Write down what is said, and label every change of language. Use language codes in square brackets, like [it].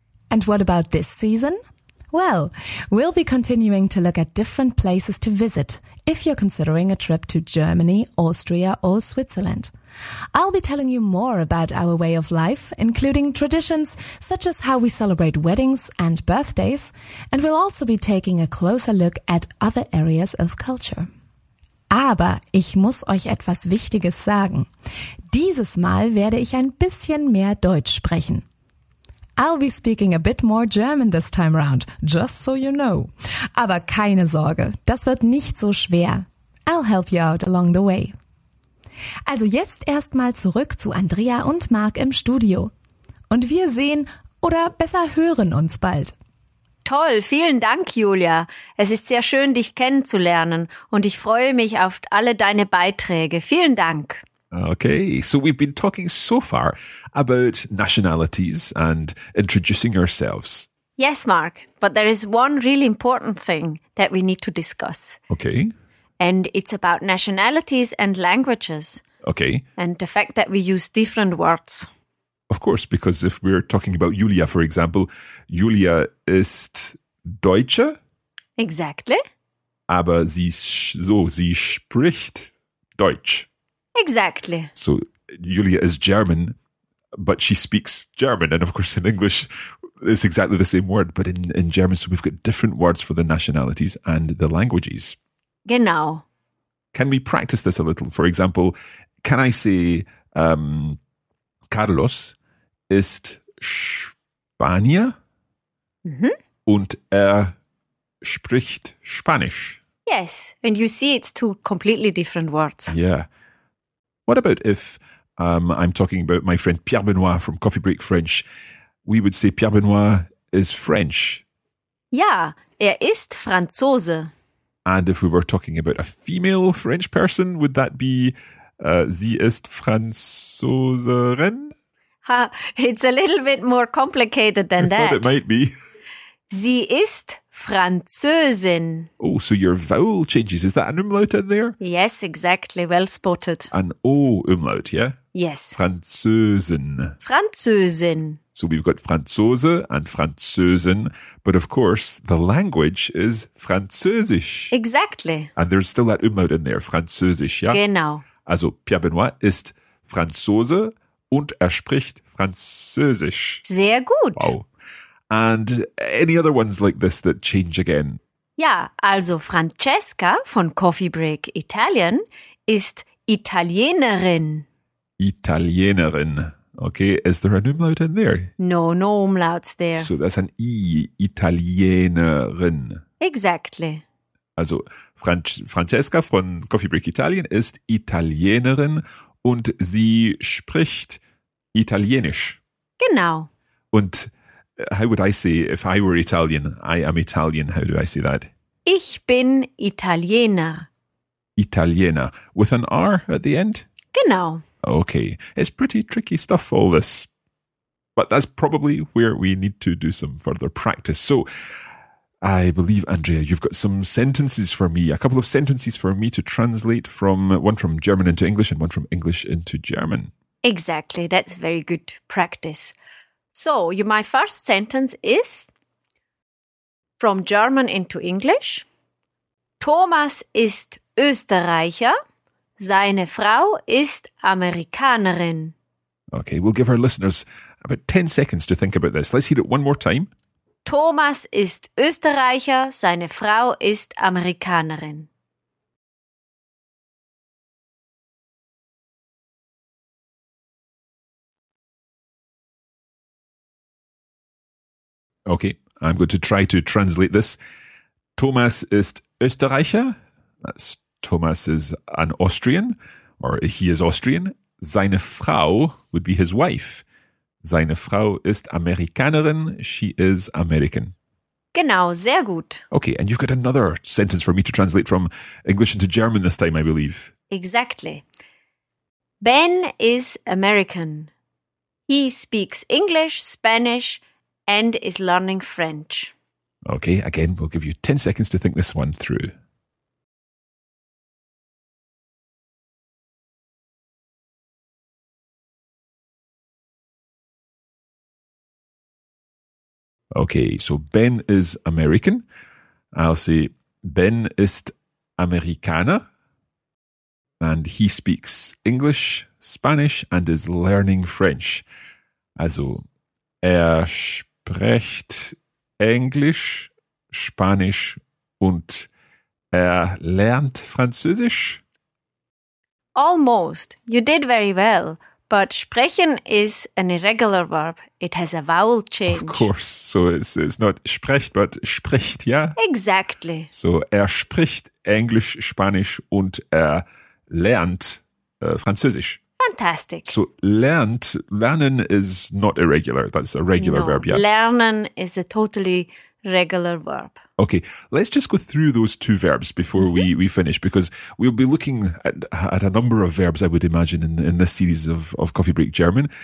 [en] And what about this season? Well, we'll be continuing to look at different places to visit if you're considering a trip to Germany, Austria or Switzerland. I'll be telling you more about our way of life, including traditions such as how we celebrate weddings and birthdays, and we'll also be taking a closer look at other areas of culture. [de] Aber ich muss euch etwas Wichtiges sagen. Dieses Mal werde ich ein bisschen mehr Deutsch sprechen. [en] I'll be speaking a bit more German this time round, just so you know. [de] Aber keine Sorge, das wird nicht so schwer. [en] I'll help you out along the way. [de] Also jetzt erstmal zurück zu Andrea und Marc im Studio. Und wir sehen oder besser hören uns bald. Toll, vielen Dank, Julia. Es ist sehr schön, dich kennenzulernen und ich freue mich auf alle deine Beiträge. Vielen Dank. [en] Okay, so we've been talking so far about nationalities and introducing ourselves. Yes, Mark, but there is one really important thing that we need to discuss. Okay. And it's about nationalities and languages. Okay. And the fact that we use different words. Of course, because if we're talking about Julia, for example, [de] Julia ist Deutsche. [en] Exactly. [de] Aber sie spricht Deutsch. [en] Exactly. So Julia is German, but she speaks German. And of course, in English, it's exactly the same word. But in German, so we've got different words for the nationalities and the languages. [de] Genau. [en] Can we practice this a little? For example, can I say [de] Carlos ist Spanier und er spricht Spanisch? [en] Yes. And you see it's two completely different words. Yeah. What about if I'm talking about my friend Pierre Benoit from Coffee Break French? We would say Pierre Benoit is French. [de] Ja, er ist Franzose. [en] And if we were talking about a female French person, would that be [de] sie ist Französerin? [en] It's a little bit more complicated than that. I thought it might be. [de] Sie ist Französin. [en] Oh, so your vowel changes. Is that an umlaut in there? Yes, exactly. Well spotted. An O umlaut, yeah? Yes. [de] Französin. Französin. [en] So we've got Franzose and Französin, but of course the language is Französisch. Exactly. And there's still that umlaut in there, Französisch, yeah? [de] Genau. Also Pierre Benoit ist Franzose und spricht Französisch. Sehr gut. [en] Wow. And any other ones like this that change again? [de] Ja, also Francesca von Coffee Break Italian ist Italienerin. Italienerin. [en] Okay, is there an umlaut in there? No umlauts there. So that's an I, Italienerin. Exactly. [de] Also Francesca von Coffee Break Italian ist Italienerin und sie spricht Italienisch. Genau. [en] Und how would I say, if I were Italian, I am Italian, how do I say that? [de] Ich bin Italiener. [en] Italiener, with an R at the end? [de] Genau. [en] Okay, it's pretty tricky stuff, all this. But that's probably where we need to do some further practice. So, I believe, Andrea, you've got some sentences for me, a couple of sentences for me to translate from one from German into English and one from English into German. Exactly, that's very good practice. So, my first sentence is from German into English. [de] Thomas ist Österreicher. Seine Frau ist Amerikanerin. [en] Okay, we'll give our listeners about 10 seconds to think about this. Let's hear it one more time. [de] Thomas ist Österreicher, seine Frau ist Amerikanerin. [en] Okay, I'm going to try to translate this. [de] Thomas ist Österreicher. [en] That's Thomas is an Austrian, or he is Austrian. [de] Seine Frau [en] would be his wife. [de] Seine Frau ist Amerikanerin. [en] She is American. [de] Genau, sehr gut. [en] Okay, and you've got another sentence for me to translate from English into German this time, I believe. Exactly. Ben is American. He speaks English, Spanish, and is learning French. Okay, again, we'll give you 10 seconds to think this one through. Okay, so Ben is American. I'll say [de] Ben ist Amerikaner. [en] And he speaks English, Spanish and is learning French. [de] Also, spricht Englisch, Spanisch und lernt Französisch? [en] Almost. You did very well. But sprechen is an irregular verb. It has a vowel change. Of course. So it's not sprecht, but spricht, yeah? Exactly. [de] So spricht Englisch, Spanisch und lernt Französisch. [en] Fantastic. So lernen is not irregular. That's a regular verb, yeah? Lernen is a totally regular verb. Okay, let's just go through those two verbs before we finish, because we'll be looking at a number of verbs, I would imagine, in this series of Coffee Break German.